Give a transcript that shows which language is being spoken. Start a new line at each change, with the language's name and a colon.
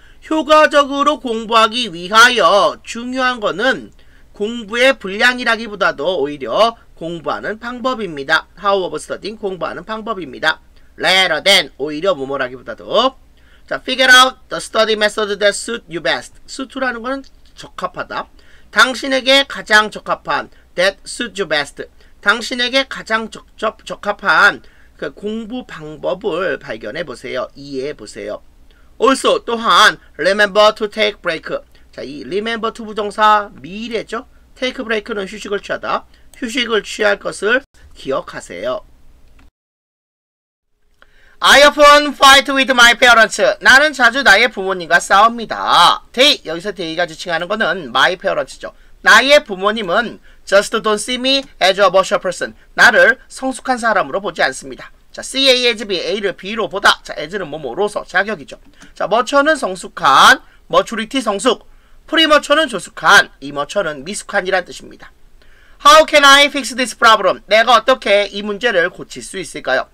Korean: 효과적으로 공부하기 위하여 중요한 것은 공부의 분량이라기보다도 오히려 공부하는 방법입니다.
English: How of studying,
Korean: 공부하는 방법입니다.
English: Rather than,
Korean: 오히려 무모라기보다도.
English: 자, figure out the study method that suit you best.
Korean: suit라는 거는 적합하다. 당신에게 가장 적합한
English: that suit you best.
Korean: 당신에게 가장 적합한 그 공부 방법을 발견해 보세요. 이해해 보세요.
English: Also, 또한 remember to take break.
Korean: 자, 이 remember to 부정사 미래죠? take break는 휴식을 취하다. 휴식을 취할 것을 기억하세요.
English: I often fight with my parents.
Korean: 나는 자주 나의 부모님과 싸웁니다. They, 여기서 they가 지칭하는 것은 my parents죠. 나의 부모님은
English: just don't see me as a mature person.
Korean: 나를 성숙한 사람으로 보지 않습니다. 자, see A as B, A를 B로 보다. 자, as는 뭐뭐로서 자격이죠. 자, mature는 성숙한, maturity 성숙, premature는 조숙한, immature는 미숙한이란 뜻입니다.
English: How can I fix this problem?
Korean: 내가 어떻게 이 문제를 고칠 수 있을까요?